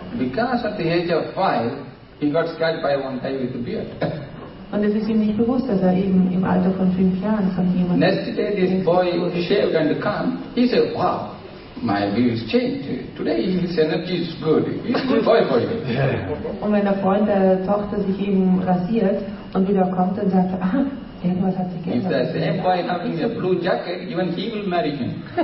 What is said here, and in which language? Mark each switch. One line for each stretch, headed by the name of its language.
English: Because at the age of 5, he got scared by one guy with a beard.
German: Und es ist ihm nicht bewusst, dass er eben im Alter von 5 Jahren von jemandem.
English: Next day, this boy shaved and come. He said, wow, my view is changed. Today, his energy is good. He's a good boy for you.
German: Und wenn der Freund der Tochter sich eben rasiert, und wieder kommt und sagt, ah, irgendwas hat sich geändert.
English: If the same boy having a blue jacket, even he will marry him.